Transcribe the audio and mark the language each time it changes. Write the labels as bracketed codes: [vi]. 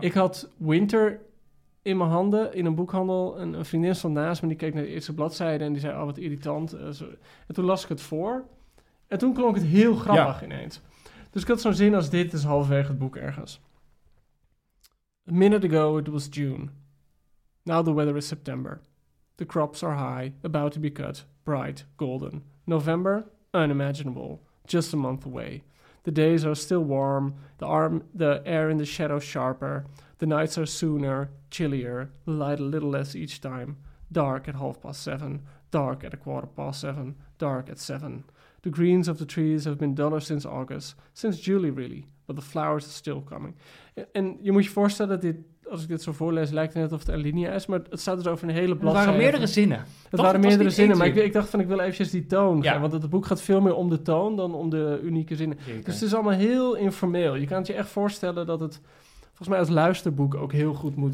[nl] Ik had Winter... in mijn handen, in een boekhandel, een vriendin stond naast me... die keek naar de eerste bladzijde en die zei, oh, wat irritant. En toen las ik het voor. En toen klonk het heel grappig ineens. Dus ik had zo'n zin als dit, is halverwege het boek ergens. [en] A minute ago it was June. Now the weather is September. The crops are high, about to be cut, bright, golden. November, unimaginable, just a month away. The days are still warm, the air in the shadow sharper... The nights are sooner, chillier, the light a little less each time. Dark at 7:30, dark at 7:15, dark at 7. The greens of the trees have been duller since August, since July really, but the flowers are still coming. [nl] En je moet je voorstellen dat dit, als ik dit zo voorlees, lijkt het net of het een linie is, maar het staat dus over een hele bladzijde. Het waren meerdere zinnen. Maar ik dacht van, ik wil eventjes die toon gaan, want het boek gaat veel meer om de toon dan om de unieke zinnen. Jeker. Dus het is allemaal heel informeel. Je kan het je echt voorstellen dat het... volgens mij als luisterboek ook heel goed moet